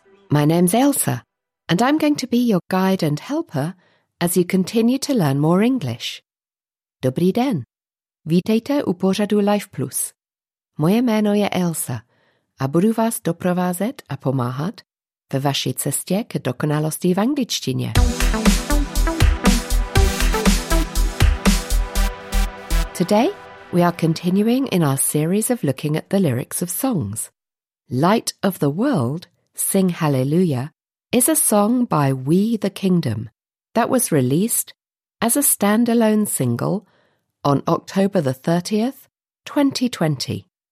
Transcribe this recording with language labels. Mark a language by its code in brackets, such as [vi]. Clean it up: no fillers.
[en] My name's Ailsa, and I'm going to be your guide and helper as you continue to learn more English. [cs] Dobrý den. Vítejte u pořadu Life Plus. Moje jméno je Ailsa a budu vás doprovázet a pomáhat ve vaší cestě k dokonalosti v angličtině. [en] Today, we are continuing in our series of looking at the lyrics of songs. Light of the World, Sing Hallelujah, is a song by We the Kingdom that was released as a standalone single on October the 30th, 2020.